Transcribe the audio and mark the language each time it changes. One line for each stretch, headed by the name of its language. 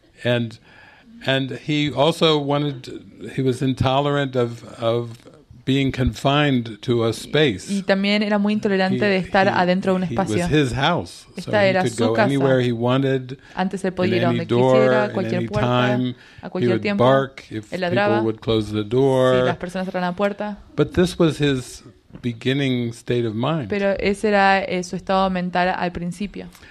English: And he also wanted, he was intolerant of being confined to a space.
Spanish: Y también era muy intolerante de estar adentro de un espacio.
English: It was his house.
Spanish: Esta era su casa.
English: Anywhere he wanted.
Spanish: Antes él podía ir a donde quisiera, cualquier puerta,
English: time,
Spanish: a cualquier tiempo.
English: He would bark if people would close the door.
Spanish: Si las personas cerraran la puerta.
English: But this was his beginning state of mind.
Spanish: Pero ese era su estado mental al principio.